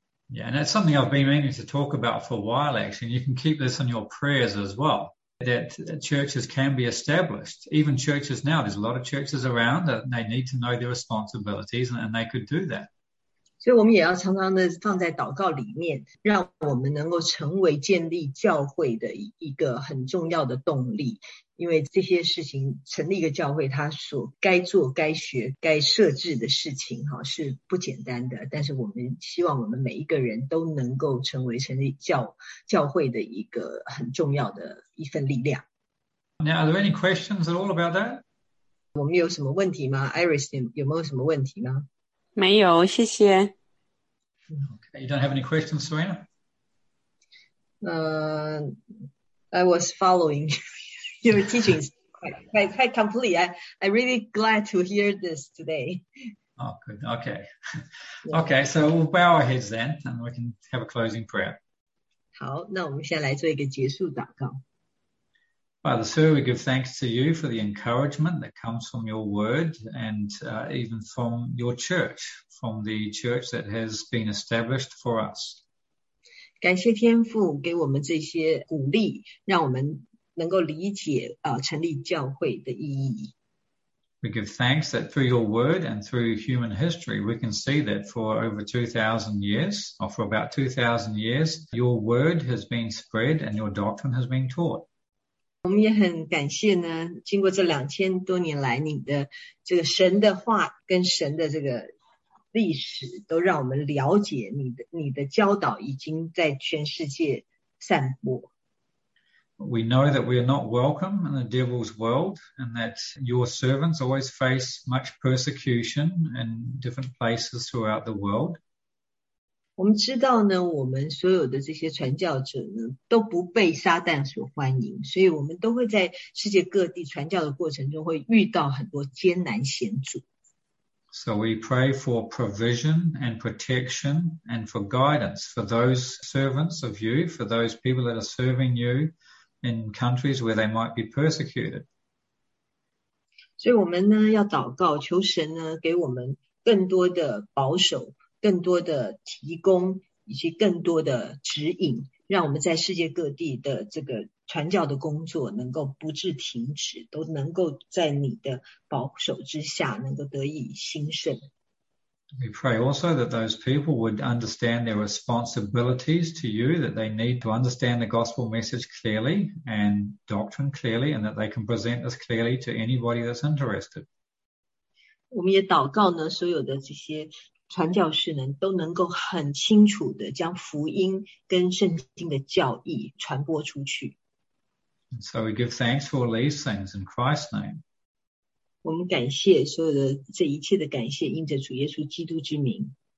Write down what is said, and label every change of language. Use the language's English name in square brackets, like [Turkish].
[English] Yeah, and that's something I've been meaning to talk about for a while actually. You can keep this in your prayers as well, that churches can be established. Even churches now, there's a lot of churches around that they need to know their responsibilities and they could do that. [Chinese] 所以我们也要常常的放在祷告里面，让我们能够成为建立教会的一个很重要的动力，因为这些事情成立一个教会它所该做该学该设置的事情是不简单的，但是我们希望我们每一个人都能够成为成立 教会的一个很重要的一份力量。 [English] Now are there any questions at all about that? [Chinese] 我们有什么问题吗？ Iris 有没有什么问题吗？没有，谢谢。 [English] Okay, you don't have any questions, Serena? I was following your teachings quite complete. I'm really glad to hear this today. Oh, good. Okay. Okay, so we'll bow our heads then, and we can have a closing prayer. [Chinese] 好，那我们先来做一个结束祷告。 [English] Father, sir, we give thanks to you for the encouragement that comes from your word and even from your church, from the church that has been established for us. [Chinese] 感谢天父给我们这些鼓励，让我们能够理解成立教会的意义。 [English] We give thanks that through your word and through human history, we can see that for over 2,000 years, or for about 2,000 years, your word has been spread and your doctrine has been taught. [Chinese] 我们也很感谢呢，经过这两千多年来，你的这个神的话跟神的这个历史，都让我们了解你的教导已经在全世界散播。 [English] We know that we are not welcome in the devil's world, and that your servants always face much persecution in different places throughout the world. [Chinese] 我们知道呢，我们所有的这些传教者呢，都不被撒旦所欢迎，所以我们都会在世界各地传教的过程中会遇到很多艰难险阻。 [English] So we pray for provision and protection and for guidance for those servants of you, for those people that are serving you. In countries where they might be persecuted. [Chinese] 所以我们呢要祷告，求神呢给我们更多的保守，更多的提供，以及更多的指引，让我们在世界各地的这个传教的工作能够不致停止，都能够在你的保守之下能够得以兴盛。 [English] We pray also that those people would understand their responsibilities to you, that they need to understand the gospel message clearly and doctrine clearly, and that they can present this clearly to anybody that's interested. [Chinese] 我们也祷告呢，所有的这些传教士呢，都能够很清楚的将福音跟圣经的教义传播出去。 [English] And so we give thanks for all these things in Christ's name. [Chinese] 我们感谢所有的这一切的感谢，因着主耶稣基督之名。